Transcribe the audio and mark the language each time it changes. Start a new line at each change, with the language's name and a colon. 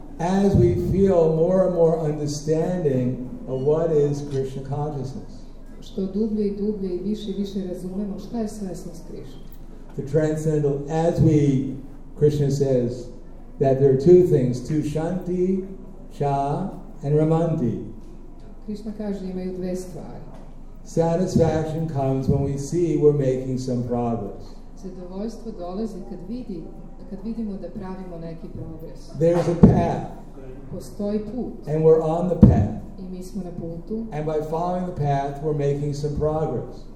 English: As we feel more and more understanding of what is Krishna consciousness.
Serbian: Što dublje i dublje i više i više razumemo šta je svesnost Krishna.
English: The transcendental, as we, Krishna says, that there are two things, tu shanti, cha, and ramanti.
Serbian: Krishna kaže imaju dve stvari.
English: Satisfaction comes when we see we're making some progress.
Serbian: Zadovoljstvo dolazi kad vidi kad vidimo da pravimo neki progres.
English: There's a path.
Serbian: Postoji put.
English: And we're on the path.
Serbian: I mi smo na putu.
English: And by following the path, we're making some progress.